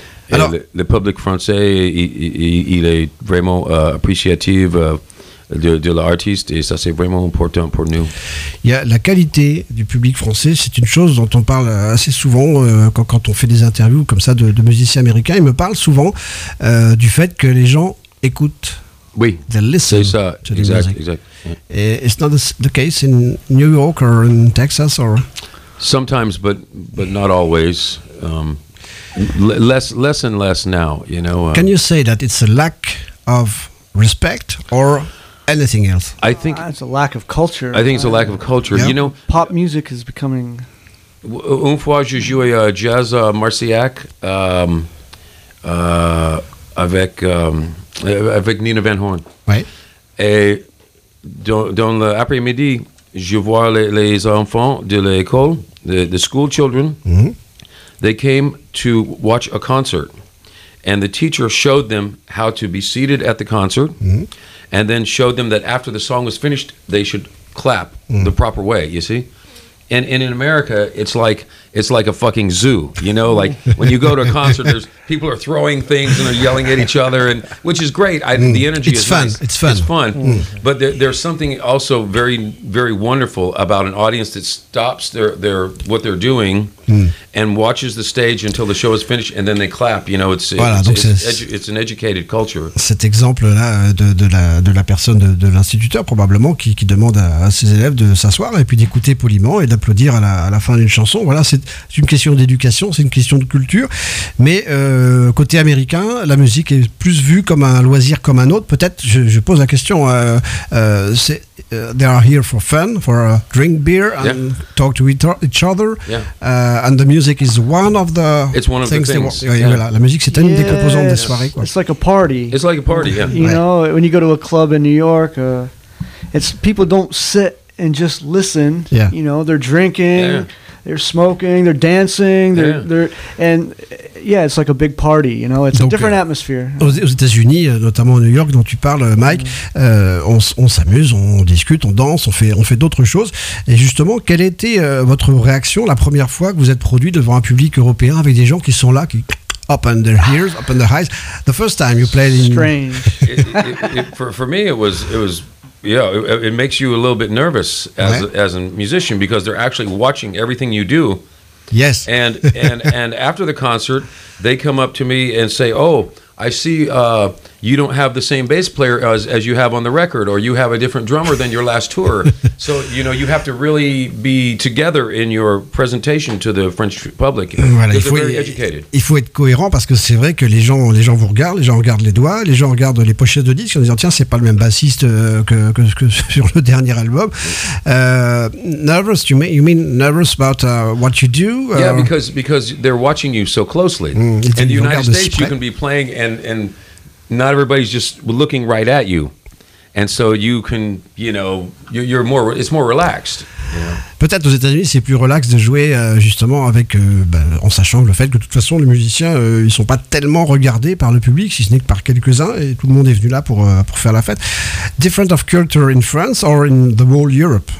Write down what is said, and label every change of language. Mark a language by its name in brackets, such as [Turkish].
[French] Et alors, le public français, il est vraiment appréciatif de l'artiste, et ça, c'est vraiment important pour nous. Il y a la qualité du public français, c'est une chose dont on parle assez souvent quand on fait des interviews comme ça de musiciens américains. Ils me parlent souvent du fait que les gens écoutent. Oui, [English] they listen, [French] c'est ça, [English] to the exact, music. [French] Exact. [English] Yeah. It's not the case in New York or in Texas or sometimes, but not always. Less and less now, you know. Can you say that it's a lack of respect or anything else? I think it's a lack of culture. I think it's a lack of culture. Yeah. You know, pop music is becoming. [French] Une fois, je jouais jazz à Marciac avec Nina Van Horn. [English] Right. [French] Et dans l'après-midi, je vois les enfants de l'école, [English] the school children. Mm-hmm. They came to watch a concert, and the teacher showed them how to be seated at the concert, and then showed them that after the song was finished, they should clap the proper way, you see? And in America, it's like a fucking zoo, you know? Like, when you go to a concert, there's people are throwing things and they're yelling at each other, and which is great. The energy is fun. Nice. It's fun. It's fun. Mm. But there's something also very, very wonderful about an audience that stops their what they're doing and watches the stage until the show is finished, and then they clap. You know, it's an educated culture. [French] Cet exemple-là de la personne de l'instituteur, probablement, qui demande à ses élèves de s'asseoir et puis d'écouter poliment et d'applaudir à la fin d'une chanson. Voilà, c'est une question d'éducation, c'est une question de culture. Mais côté américain, la musique est plus vue comme un loisir, comme un autre. Peut-être, je pose la question, [English] they are here for fun, for a drink beer and talk to each other. Yeah. And the music is one of the things. [French] La musique, c'est une des composantes des soirées. Quoi. [English] It's like a party. It's like a party, yeah. You right. know, when you go to a club in New York, people don't sit and just listen. Yeah. You know, they're drinking. Yeah. They're smoking, they're dancing, it's like a big party, you know, it's [French] donc, [English] a different atmosphere. [French] Aux États-Unis, notamment à New York, dont tu parles, Mike, on s'amuse, on discute, on danse, on fait d'autres choses. Et justement, quelle était votre réaction la première fois que vous êtes produit devant un public européen avec des gens qui sont là, qui [English] open their ears, open their eyes? The first time you played strange. In strange. for me, it was. Yeah, it makes you a little bit nervous as a musician because they're actually watching everything you do. Yes. And after the concert, they come up to me and say, "Oh, I see you don't have the same bass player as you have on the record, or you have a different drummer than your last tour." So, you know, you have to really be together in your presentation to the French public. [French] Voilà, [English] they're very educated. [French] Il faut être cohérent parce que c'est vrai que les gens vous regardent, les gens regardent les doigts, les gens regardent les pochettes de disques en disant, tiens, c'est pas le même bassiste que sur le dernier album. [English] Nervous, you mean nervous about what you do? Yeah, because they're watching you so closely. In the United States, you can be playing and not everybody's just looking right at you, and so you can, you know, you're more. It's more relaxed. Yeah. [French] Peut-être aux États-Unis, c'est plus relax de jouer justement avec, en sachant le fait que de toute façon les musiciens, ils sont pas tellement regardés par le public, si ce n'est que par quelques-uns, et tout le monde est venu là pour faire la fête. [English] Different of culture in France or in the whole Europe?